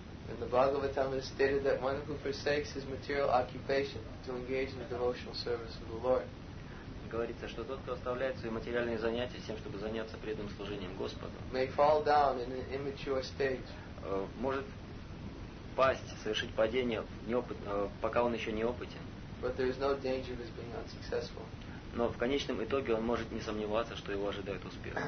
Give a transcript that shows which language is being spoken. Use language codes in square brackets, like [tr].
[en] In the Bhagavatam it is stated that one who forsakes his material occupation to engage in the devotional service of the Lord. [ru] Говорится, что тот, кто оставляет свои материальные занятия тем, чтобы заняться преданным служением Господу, [en] may fall down in an immature stage. [ru] Может пасть, совершить падение пока он еще неопытен. [en] But there is no danger of his being unsuccessful. [ru] Но в конечном итоге он может не сомневаться, что его ожидает успех.